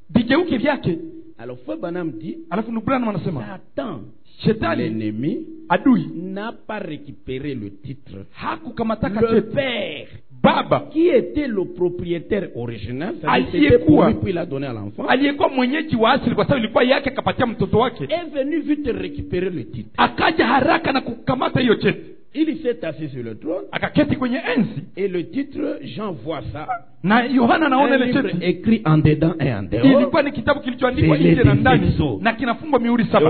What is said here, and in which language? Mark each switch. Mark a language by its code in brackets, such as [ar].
[sw] Bigeuke vyake. [fr] Alors Frère Branham dit, [sw] alafu ndugu Branham anasema, [fr] Satan, [sw] Shetani, [fr] l'ennemi, [sw] adui [fr] n'a pas récupéré le titre. [sw] Hakukamata [fr] le cheti. Père. [sw] Baba, [fr] qui était le propriétaire original, [sw] aliyekuwa [fr] pour lui, il a donné à l'enfant. [sw] Aliyekuwa mwenyeji wa asili kwa sababu ilikuwa yake akapatia mtoto wake. [fr] Est venu vite récupérer le titre. [sw] Akaja haraka na kukamata hiyo cheti. [fr] Il s'est assis sur le trône. [sw] Akaketi kwenye enzi. [fr] Et le titre, Jean voit ça. [sw] Na Yohana naona ile cheti. [fr] Écrit en dedans et en dehors. [sw] Ilikuwa ni kitabu kilichoandikwa nje na ndani. Na kinafungwa mihuri saba.